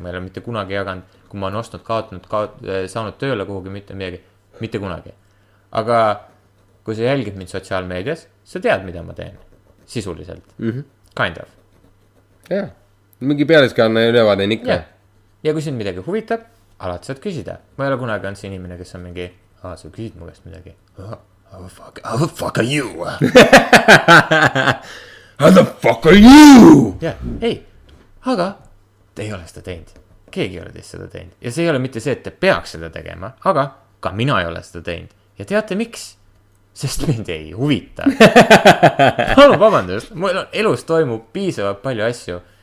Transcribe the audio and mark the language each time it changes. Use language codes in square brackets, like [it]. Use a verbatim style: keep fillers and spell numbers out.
[et] Ma ei ole mitte kunagi jaganud, kui ma olen ostnud, kaotanud, kaot, saanud tööle kuhugi, mitte midagi. Mitte kunagi. Aga kui sa jälgid mind sotsiaalmeedias, sa tead, mida ma teen. Sisuliselt. Mm-hmm. [en] Kind of. [et] Jah. Mingi pealiskanna ülevaade on ikka. Ja. ja kui sind midagi huvitab, alati saad küsida. Ma ei ole kunagi on see inimene, kes on mingi aa, sa küsid mu käest midagi. [en] Oh, how the fuck, how the fuck are you? How the fuck are you? [et] Jah. Ei. Aga te ei ole seda teinud. Keegi ei ole teist seda teinud. Ja see ei ole mitte see, et te peaks seda tegema, aga ka mina ei ole seda teinud. Ja teate miks? Sest mind ei huvita. Palun vabandust, mul on, elus toimub piisavalt palju asju.